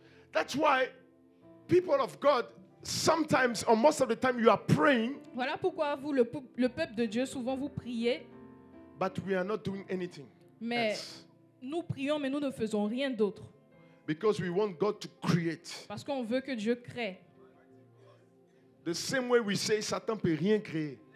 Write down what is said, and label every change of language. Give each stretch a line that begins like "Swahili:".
English: That's why people of God. Sometimes or most of the time you are praying.
French: Voilà pourquoi vous le peuple de Dieu souvent vous priez.
English: But we are not doing anything.
French: Mais nous prions mais nous ne faisons rien d'autre.
English: Because we want God to create.
French: Parce qu'on veut que Dieu crée.
English: The same way we say Satan
French: peut rien créer.